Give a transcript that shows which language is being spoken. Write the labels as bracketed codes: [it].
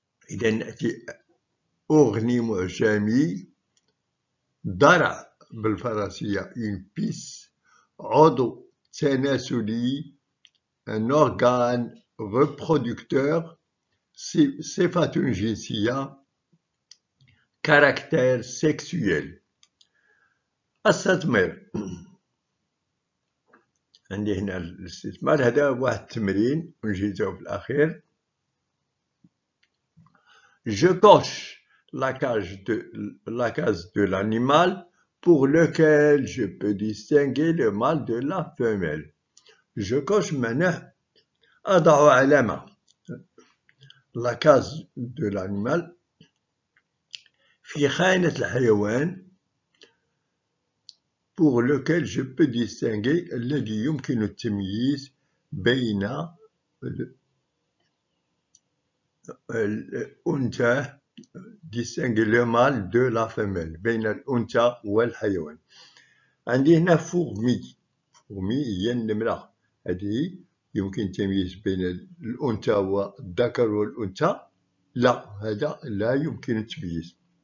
[ar] إذا نأتي أغني معجمي، درع بالفرنسية [fr] إن بيس، [ar] عضو تناسلي، [fr] أن أورغان ريبرودكتور، [ar] صفة جنسية، [fr] كاركتير سيكسويل. [ar] استثمر، عندي هنا الاستثمار، هذا واحد التمرين ونجيزه في الأخير. [fr] Je coche la case de l'animal pour lequel je peux distinguer le mâle de la femelle. Je coche maintenant. [ar] أضع علامة. [fr] La case de l'animal. [ar] في خانة الحيوان. [fr] Pour lequel je peux distinguer. [ar] الذي يمكن التمييز بين الأنثى، [fr] ديسينغ لو مال دو لا فيميل، [ar] بين الأنثى والحيوان. عندي هنا فورمي هي النملة، هذه يمكن تمييز بين الأنثى والذكر والأنثى، لا هذا لا يمكن التمييز.